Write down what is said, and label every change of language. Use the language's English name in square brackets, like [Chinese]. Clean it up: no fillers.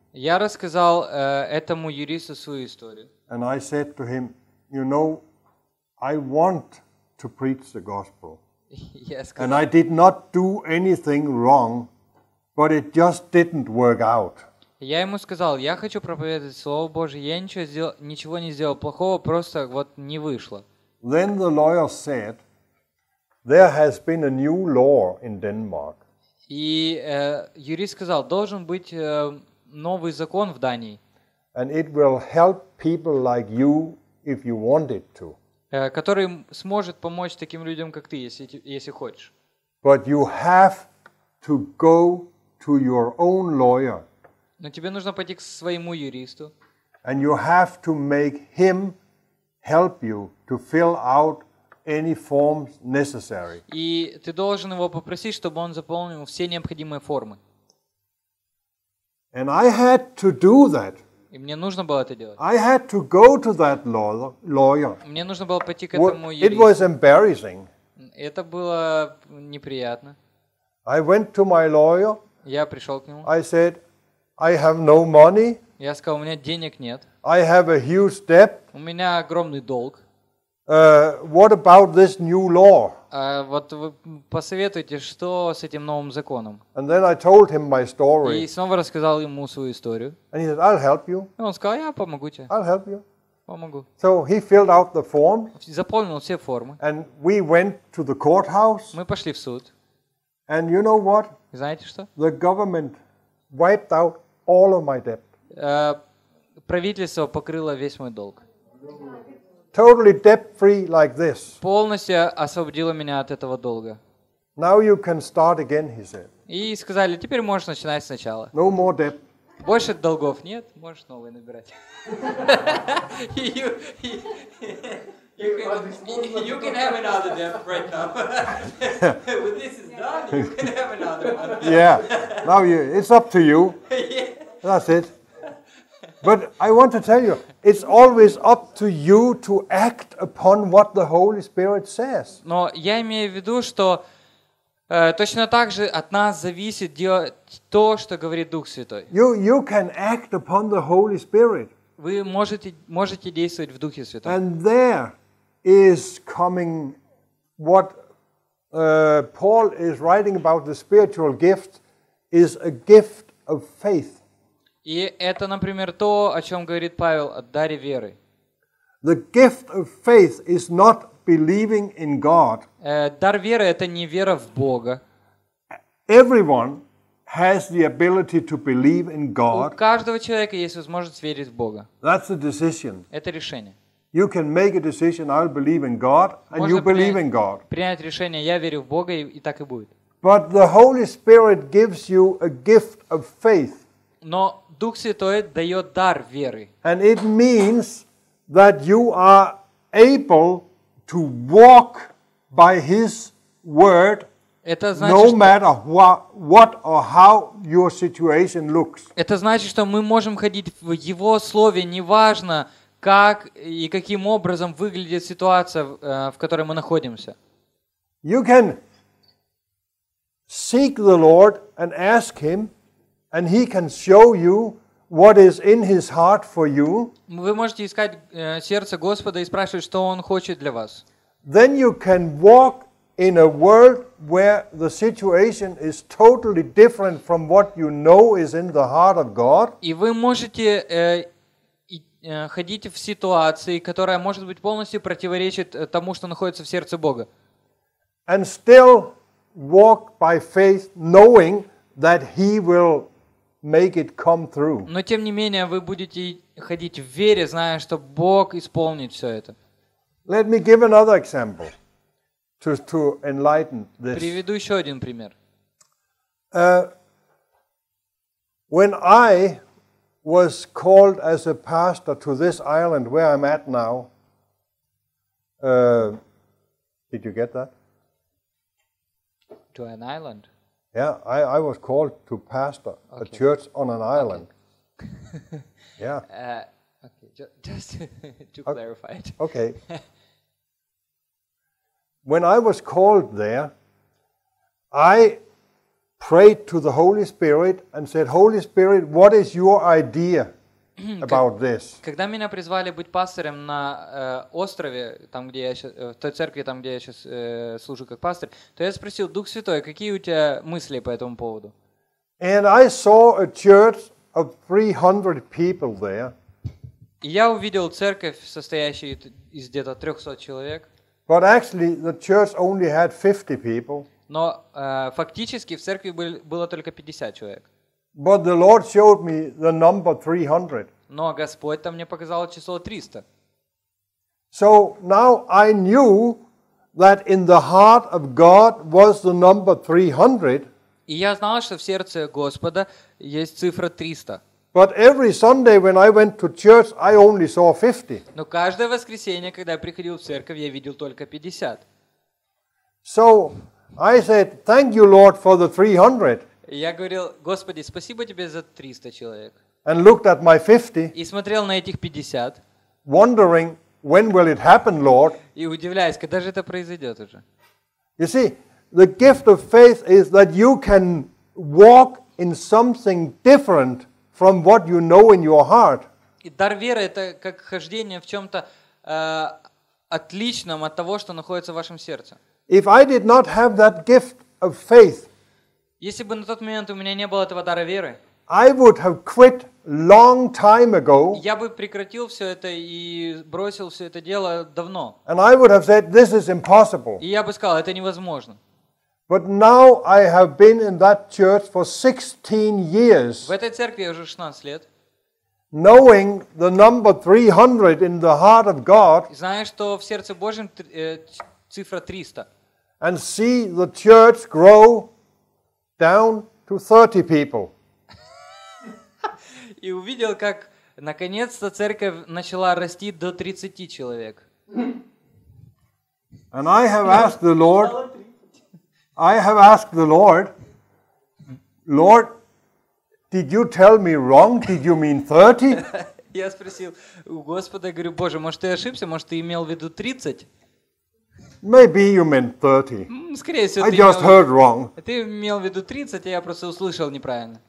[Russian] Я рассказал этому юристу свою историю. [English] And I said to him, you know, I want to preach the gospel. Yes. And I did not do anything wrong, but it just didn't work out. [Russian] Я ему сказал, я хочу проповедовать Слово Божие, я ничего не сделал плохого, просто вот не вышло. [English] Then the lawyer said, there has been a new law in Denmark. [Russian] И юрист сказал, должен быть новый закон в Дании. [English] And it will help people like you if you want it to. [Russian] Который сможет помочь таким людям, как ты, если хочешь. [English] But you have to go to your own lawyer. [Russian] Но тебе нужно пойти к своему юристу. [English] And you have to make him help you to fill out any forms necessary. [Russian] И ты должен его попросить, чтобы он заполнил все необходимые формы. [English] And I had to do that. [Russian] И мне нужно было это делать. [English] I had to go to that lawyer. [Russian] Мне нужно было пойти к этому юристу. [English] It was embarrassing. [Russian] Это было неприятно. [English] I went to my lawyer. [Russian] Я пришел к нему. [English] I said, I have no money. [Russian] Я сказал, у меня денег нет. [English] I have a huge debt. [Russian] У меня огромный долг. [English] What about this new law? [Russian] Вот вы посоветуйте, что с этим новым законом? [English] And then I told him my story. [Russian] И снова рассказал ему свою историю. [English] And he said, I'll help you. [Russian] И он сказал, я помогу тебе. [English] I'll help you. [Russian] Помогу. [English] So he filled out the form. [Russian] Заполнил все формы. [English] And we went to the courthouse. [Russian] Мы пошли в суд. [English] And you know what? [Russian] Знаете что? [English] The government wiped out all of my debt. [Russian] Правительство покрыло весь мой долг. [English] Totally debt-free like this. [Russian] Полностью освободило меня от этого долга. [English] Now you can start again, he said. [Russian] И сказали, теперь можешь начинать сначала. [English] No more debt. [Russian] Больше долгов нет, можешь новые набирать. [English] You can have another debt right now. When this is done, you can have another one. Yeah. Now it's up to you. Yeah. That's it. But I want to tell you, it's always up to you to act upon what the Holy Spirit says. [Russian] Но я имею в виду, что точно так же от нас зависит делать то, что говорит Дух Святой. [English] You can act upon the Holy Spirit. [Russian] Вы можете действовать в Духе Святом. [English] And there is coming what Paul is writing about the spiritual gift is a gift of faith. [Russian] И это, например, то, о чем говорит Павел о даре веры. [English] The gift of faith is not believing in God. [Russian] Дар веры — это не вера в Бога. [English] Everyone has the ability to believe in God. [Russian] У каждого человека есть возможность верить в Бога. [English] That's a decision. [Russian] Это решение. [English] You can make a decision, I'll believe in God, and you believe in God. [Russian] Принять решение, я верю в Бога, и так и будет. [English] But the Holy Spirit gives you a gift of faith. [Russian] Но Дух Святой дает дар веры. [English] And it means that you are able to walk by His word, [Russian] это значит, [English] no matter what or how your situation looks. [Russian] Это значит, что мы можем ходить в Его слове, неважно как и каким образом выглядит ситуация, в которой мы находимся. [English] You can seek the Lord and ask Him, and He can show you what is in His heart for you. [Russian] Вы можете искать сердце Господа и спрашивать, что Он хочет для вас. [English] Then you can walk in a world where the situation is totally different from what you know is in the heart of God. [Russian] И вы можете ходить в ситуации, которая может быть полностью противоречит тому, что находится в сердце Бога. [English] And still walk by faith, knowing that He will make it come through. [Russian] Но тем не менее вы будете ходить в вере, зная, что Бог исполнит все это. [English] Let me give another example to enlighten this. [Russian] Приведу еще один пример. [English] When I was called as a pastor to this island where I'm at now, did you get that? To an island? Yeah, I was called to pastor a church on an island. Okay. Yeah. Okay, just to clarify it. Okay. When I was called there, I prayed to the Holy Spirit and said, Holy Spirit, what is your idea about this? [Russian] Когда меня призвали быть пастором на острове, там где я сейчас, в той церкви, там где я сейчас служу как пастор, то я спросил, Дух Святой, какие у тебя мысли по этому поводу? [English] And I saw a church of 300 people there. [Russian] И я увидел церковь, состоящую из где-то 300 человек. [English] But actually, the church only had 50 people. [Russian] Но фактически в церкви было только 50 человек. [English] But the Lord showed me the number 300. [Russian] Но Господь там мне показал число 300. [English] So now I knew that in the heart of God was the number 300. [Russian] И я знал, что в сердце Господа есть цифра 300. [English] But every Sunday when I went to church, I only saw 50. [Russian] Но каждое воскресенье, когда я приходил в церковь, я видел только 50. [English] So I said, "Thank you, Lord, for the 300." [Russian] Я говорил, Господи, спасибо тебе за 300 человек. [English] And looked at my 50. [Russian] И смотрел на этих 50. [English] Wondering when will it happen, Lord? [Russian] И удивляясь, когда же это произойдет уже? [English] You see, the gift of faith is that you can walk in something different from what you know in your heart. [Russian] И дар веры — это как хождение в чем-то отличном от того, что находится в вашем сердце. [English] If I did not have that gift of faith, [Russian] если бы на тот момент у меня не было этого дара веры, [English] I would have quit long time ago. [Russian] Я бы прекратил все это и бросил все это дело давно. [English] And I would have said, this is impossible. [Russian] И я бы сказал, это невозможно. [English] But now I have been in that church for 16 years. [Russian] В этой церкви я уже 16 лет. [English] Knowing the number 300 in the heart of God. [Russian] Зная, что в сердце Божьем цифра 300. [English] And see the church grow down to 30 people. [Russian] И увидел, как наконец-то церковь начала расти до 30 человек. [English] And I have asked the Lord. I have asked the Lord, Lord, did you tell me wrong? Did you mean 30? [Russian] Я спросил у Господа, говорю, Боже, может, ты ошибся? Может, ты имел в виду 30? [English] Maybe you meant 30. [Russian] Скорее всего, [English] I just heard wrong. [Russian] Ты имел в виду 30, а я просто услышал неправильно.